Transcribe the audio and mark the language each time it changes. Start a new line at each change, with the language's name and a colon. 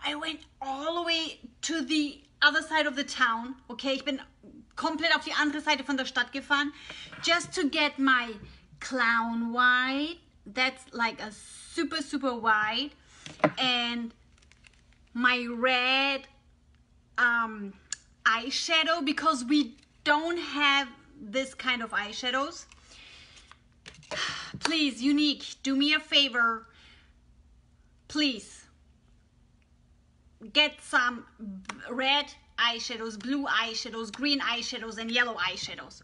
English: I went all the way to the other side of the town, okay?
German: Ich bin komplett auf die andere Seite von der Stadt gefahren,
English: just to get my clown white. That's like a super, super white. And my red eyeshadow, because we don't have this kind of eyeshadows. Please, Younique, do me a favor. Please get some red eyeshadows, blue eyeshadows, green eyeshadows, and yellow eyeshadows.